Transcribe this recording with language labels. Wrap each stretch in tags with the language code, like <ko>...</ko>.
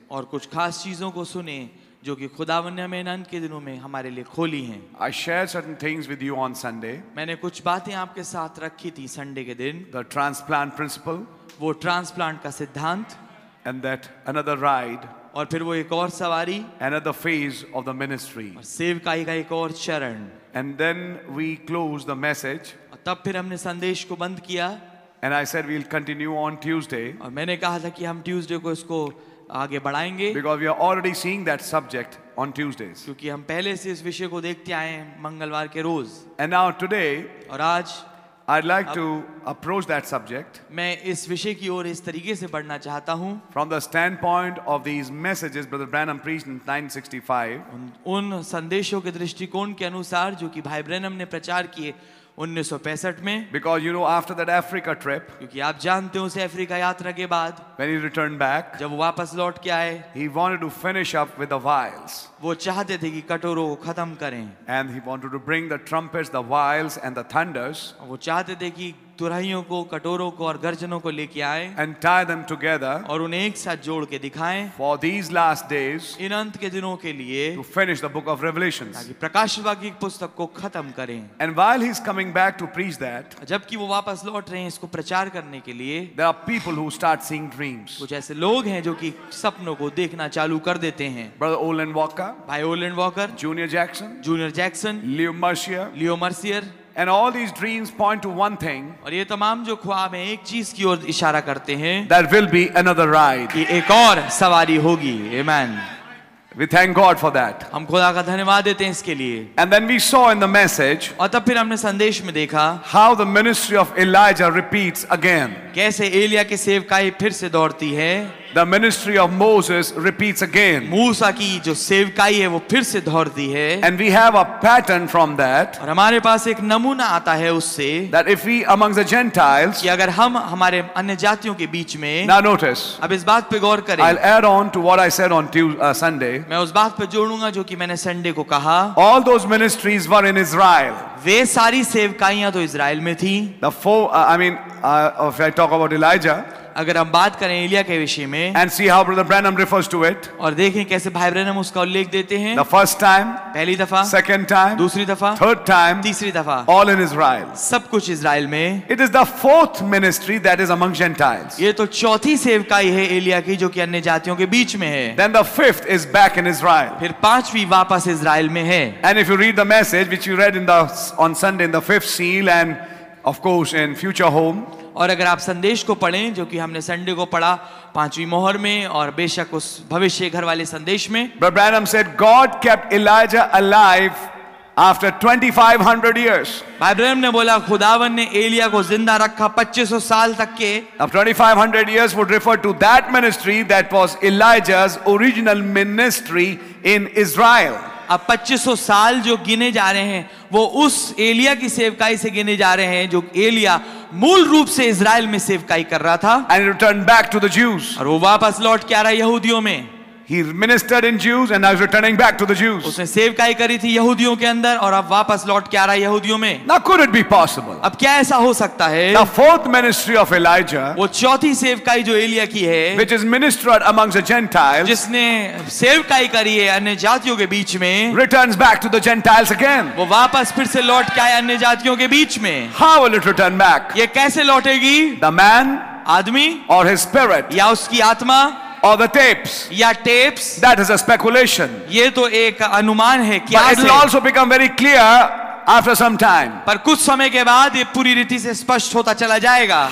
<hi>और कुछ खास चीजों को सुने जो कि खुदावन ने हमें अनंत के दिनों में हमारे लिए खोली हैं.</hi> <en>I shared certain things with you on Sunday.</en> <hi>मैंने कुछ बातें आपके साथ रखी थी संडे के दिन.</hi> <en>The transplant principle.</en> <hi>वो ट्रांसप्लांट का सिद्धांत.</hi> <en>And that another ride.</en> <hi>और फिर वो एक और सवारी.</hi> <en>Another phase of the ministry.</en> <hi>और सेवकाई का एक और चरण.</hi> <en>And then we closed the message.</en> <hi>और तब फिर हमने संदेश को बंद किया.</hi> <en>And I said we'll continue on Tuesday.</en> <hi>और मैंने कहा था कि हम ट्यूसडे को इसको आगे बढ़ाएंगे.</hi> <en>Because we are already seeing that subject on Tuesdays.</en> <hi>क्योंकि हम पहले से इस विषय को देखते आए हैं मंगलवार के रोज.</hi> <en>And now today.</en> <hi>और आज.</hi> <en>I'd like to approach that subject.</en> <hi>मैं इस विषय की ओर इस तरीके से बढ़ना चाहता हूँ.</hi> <en>From the standpoint of these messages, Brother Branham preached in 1965.</en> <hi>उन संदेशों के दृष्टिकोण के अनुसार जो कि भाई ब्रैनम ने प्रचार किए 1965 में.</hi> <en>Because you know after that Africa trip.</en> <hi>क्योंकि आप जानते हो उसे अफ्रीका यात्रा के बाद.</hi> <en>When he returned back.</en> <hi>जब वापस लौट के आए.</hi> <en>He wanted to finish up with the vials.</en> <hi>वो चाहते थे कि कटोरों को खत्म करें.</hi> <en>And he wanted to bring the trumpets, the vials, and the thunders.</en> <hi>वो चाहते थे कि तुरहियों को, कटोरों को और गर्जनों को लेके आए.</hi> <en>And tie them together.</en> <hi>और उन्हें एक साथ जोड़ के दिखाएं.</hi> <en>For these last days.</en> <hi>इन अंत के दिनों के लिए.</hi> <en>To finish the book of Revelations.</en> <hi>ताकि प्रकाशवाक्य पुस्तक को खत्म करें.</hi> <en>And while he's coming back to preach that.</en> <hi>जबकि वो वापस लौट रहे हैं इसको प्रचार करने के लिए.</hi> <en>There are people who start seeing dreams.</en> <hi>कुछ ऐसे लोग हैं जो कि सपनों को देखना चालू कर देते हैं.</hi> <en>Brother Olin Walker.</en> <hi>भाई Olin walker. Junior Jackson. Leo Mercier.</hi> <en>And all these dreams point to one thing.</en> <hi>और ये तमाम जो ख्वाब हैं एक चीज की ओर इशारा करते हैं.</hi> <en>There will be another ride.</en> <hi>कि एक और सवारी होगी. Amen.</hi> <en>We thank God for that.</en> <hi>हम खुदा का धन्यवाद देते हैं इसके लिए.</hi> <en>And then we saw in the message.</en> <hi>और तब फिर हमने संदेश में देखा.</hi> <en>How the ministry of Elijah repeats again.</en> <hi>कैसे एलिया की सेवकाई फिर से दौड़ती है.</hi> <en>The ministry of Moses repeats again.</en> <hi>मूसा की जो सेवकाई है वो फिर से दोहरती है.</hi> <en>And we have a pattern from that.</en> <hi>और हमारे पास एक नमूना आता है उससे.</hi> <en>That if we among the Gentiles.</en> <hi>कि अगर हम हमारे अन्य जातियों के बीच में.</hi> <en>Now notice.</en> <hi>अब इस बात पे गौर करें.</hi> <en>I'll add on to what I said on Sunday.</en> <hi>मैं उस बात पे जोड़ूंगा जो कि मैंने संडे को कहा.</hi> <en>All those ministries were in Israel.</en> <hi>वे सारी सेवकाइयां तो इज़राइल में थी.</hi> <en>The four, if I talk about Elijah.</en> <hi>अगर हम बात करें एलिया के विषय में.</hi> <en>And see how Brother Branham refers to it.</en> <hi>और देखें कैसे भाई ब्रैनम उसका उल्लेख देते हैं.</hi> <en>The first time.</en> <hi>पहली दफा.</hi> <en>Second time.</en> <hi>दूसरी दफा.</hi> <en>Third time.</en> <hi>तीसरी दफा.</hi> <en>All in Israel.</en> <hi>सब कुछ इज़राइल में.</hi> <en>It is the fourth ministry that is among Gentiles.</en> <hi>ये तो चौथी सेवकाई है एलिया की जो कि अन्य जातियों के बीच में है.</hi> <en>Then the fifth is back in Israel.</en> <hi>फिर पांचवी वापस इज़राइल में है.</hi> <en>And if you read the message which you read in the on Sunday in the fifth seal and of course in future home.</en> <hi>और अगर आप संदेश को पढ़ें जो कि हमने संडे को पढ़ा पांचवी मोहर में और बेशक उस भविष्य घर वाले संदेश में.</hi> <en>But Branham said God kept Elijah alive after 2500 years.</en> <hi>भाई ब्रैनम ने बोला खुदावन ने एलिया को जिंदा रखा 2500 साल तक के.</hi> <en>Now 2500 years would refer to that ministry that was Elijah's original ministry in Israel.</en> <hi>अब 2500 साल जो गिने जा रहे हैं वो उस एलिया की सेवकाई से गिने जा रहे हैं जो एलिया मूल रूप से इज़राइल में सेवकाई कर रहा था.</hi> <en>And returned back to the Jews.</en> <hi>और वो वापस लौट के आ रहा यहूदियों में.</hi> <en>He ministered in Jews and now he's returning back to the Jews.</en> <hi>उसने सेवकाई करी थी यहूदियों के अंदर और अब वापस लौट के आ रहा यहूदियों में.</hi> <en>Now could it be possible?</en> <hi>अब क्या ऐसा हो सकता है?</hi> <en>The fourth ministry of Elijah.</en> <hi>वो चौथी सेवकाई जो एलिया की है.</hi> <en>Which is ministered amongst the Gentiles.</en> <hi>जिसने सेवकाई करी है अन्य जातियों के बीच में.</hi> <en>Returns back to the Gentiles again.</en> <hi>वो वापस फिर से लौट के आया अन्य जातियों के बीच में.</hi> <en>How will it return back?</en> <hi>ये कैसे लौटेगी?</hi> <en>The man.</en> <hi>आदमी और</hi> <en>his spirit</en> <hi>या उसकी आत्मा</hi> <en>or the tapes</en> <hi>या tapes</hi> <en>that is a speculation</en> <hi>ये तो एक अनुमान है क्या</hi> <en>but it will also become very clear after some time</en> <hi>पर कुछ समय के बाद ये पूरी रीति से स्पष्ट होता चला जाएगा</hi>